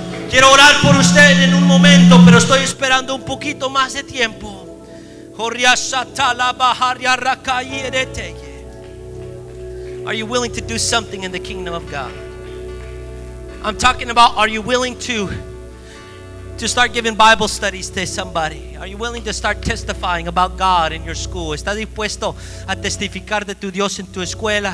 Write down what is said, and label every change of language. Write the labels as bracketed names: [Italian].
[Spanish] Quiero orar por usted en un momento, pero estoy esperando un poquito más de tiempo. [English] Are you willing to do something in the kingdom of God? I'm talking about, are you willing to start giving Bible studies to somebody? Are you willing to start testifying about God in your school? [Spanish] ¿Estás dispuesto a testificar de tu Dios en tu escuela?